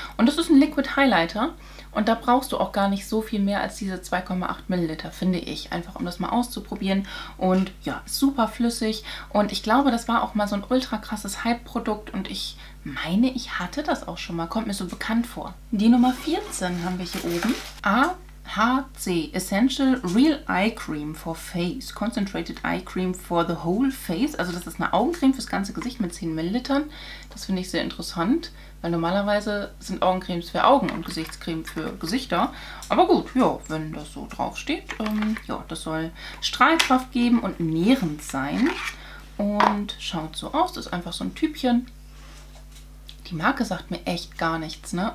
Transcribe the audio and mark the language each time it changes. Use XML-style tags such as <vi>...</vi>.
<de>Und das ist ein Liquid Highlighter. Und da brauchst du auch gar nicht so viel mehr als diese 2,8 Milliliter, finde ich. Einfach, um das mal auszuprobieren. Und ja, super flüssig. Und ich glaube, das war auch mal so ein ultra krasses Hype-Produkt. Und ich meine, ich hatte das auch schon mal. Kommt mir so bekannt vor. Die Nummer 14 haben wir hier oben.</de> <en>HC Essential Real Eye Cream for Face. Concentrated Eye Cream for the Whole Face.</en> <de>Also das ist eine Augencreme fürs ganze Gesicht mit 10 Millilitern. Das finde ich sehr interessant, weil normalerweise sind Augencremes für Augen und Gesichtscreme für Gesichter. Aber gut, ja, wenn das so draufsteht. Das soll Strahlkraft geben und nährend sein. Und schaut so aus. Das ist einfach so ein Typchen. Die Marke sagt mir echt gar nichts, ne?</de>